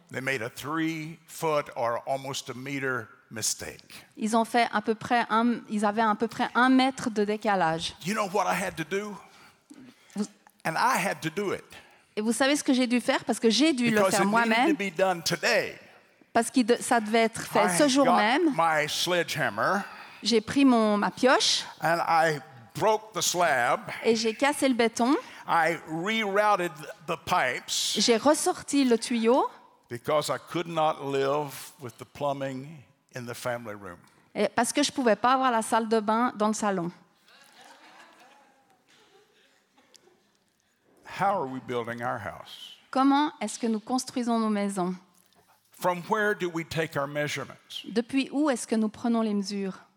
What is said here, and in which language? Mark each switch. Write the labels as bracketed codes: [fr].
[en] They made a 3 foot or almost a meter mistake. [fr] Ils ont fait à peu près ils avaient à peu près un mètre de décalage. [en] You know what I had to do? And I had to do it. [fr] Et vous savez ce que j'ai dû faire parce que j'ai dû [en] Because [fr] le faire [en] it [fr] moi-même. [en] Needed to be done today. [fr] Parce que ça devait être fait [en] I [fr] ce jour [en] got [fr] même. [en] My sledgehammer, [fr] j'ai pris ma pioche. [en] And I broke the slab. [fr] Et j'ai cassé le béton. [en] I rerouted the pipes. [fr] J'ai ressorti le tuyau. [en] Because I could not live with the plumbing in the family room. [fr] Et parce que je pouvais pas avoir la salle de bain dans le salon. [en] How are we building our house? [fr] Comment est-ce que nous construisons nos maisons? [en] From where do we take our measurements? [fr] Depuis où est-ce que nous prenons les mesures?